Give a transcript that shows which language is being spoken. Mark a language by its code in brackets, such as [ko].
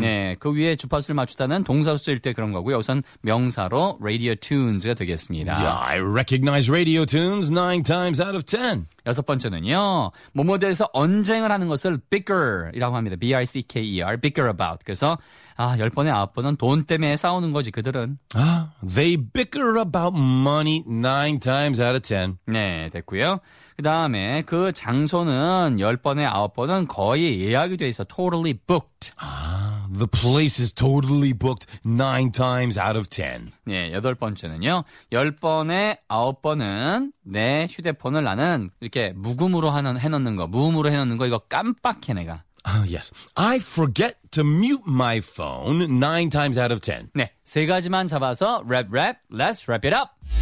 [ko] 네, 그 위에 주파수를 맞추다는 동사로 쓰일 때 그런 거고요. 우선 명사로 radio tunes가 되겠습니다. [en] Yeah, I recognize radio tunes 9 times out of 10. [ko] 여섯 번째는요. 뭐뭐에 대해서 언쟁을 하는 것을 bicker이라고 합니다. [en] B-I-C-K-E-R, bicker about. [ko] 그래서 아, 열 번에 아홉 번은 돈 때문에 싸우는 거지, 그들은. [en] They bicker about money 9 times out of 10. [ko] 네, 됐고요. 그다음에 그 장소는 열 번에 아홉 번은 거의 예약이 돼 있어. [en] Totally booked. The place is totally booked 9 times out of 10. [ko] 네, 여덟 번째는요. 열 번에 아홉 번은 내 휴대폰을 나는 이렇게 무금으로 하는 해놓는 거, 무음으로 해놓는 거 이거 깜빡해 내가. [en] Yes, I forget to mute my phone 9 times out of 10. [ko] 네, 세 가지만 잡아서 랩 랩, [en] let's wrap it up.